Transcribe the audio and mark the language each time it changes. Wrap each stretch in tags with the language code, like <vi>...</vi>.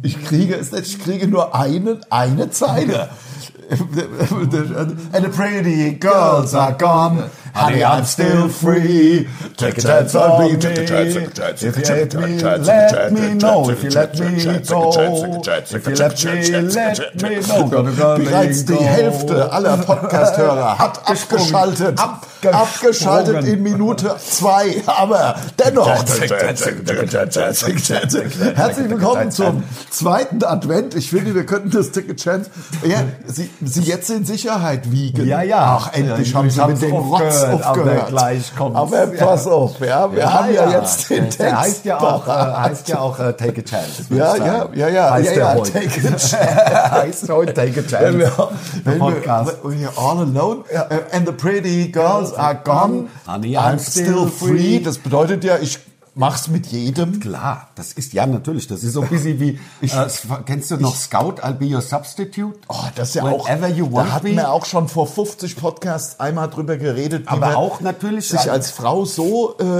<de>Ich kriege es nicht. Ich kriege nur eine Zeile.</de> <en>And the pretty girls are gone. Honey, I'm still free. Take a chance on me. Take a chance, if you let me, let me know. If you let me go. If you let me, let me know.</en> <de>Bereits die Hälfte aller Podcast-Hörer hat abgeschaltet. Abgeschaltet in Minute zwei. Aber dennoch. Herzlich willkommen zum zweiten Advent. Ich finde, wir könnten das Take a Chance. Ja, Sie jetzt in Sicherheit wiegen. Ja, ja. Ach, endlich haben Sie mit dem Rotz aufgehört. Aber gleich kommt's. Aber pass auf, ja. Wir haben ja jetzt den Text. Der heißt ja auch, Take a Chance. Ja. Heißt heute Take a Chance. Der Podcast.</de> <en>When you're all alone and the pretty girls are gone, honey, I'm still free.</en> <de>Das bedeutet ja, ich mach's mit jedem. Klar, das ist ja natürlich. Das ist so ein bisschen wie. Kennst du noch Scout?</de> <en>I'll be your substitute.</en> <de>Oh, das ist ja</de> <en>whenever</en> <de>auch.</de> <en>You want</en> <de>da hatten wir auch schon vor 50 Podcasts einmal drüber geredet. Aber wie man auch natürlich. Sich als Frau so.</de>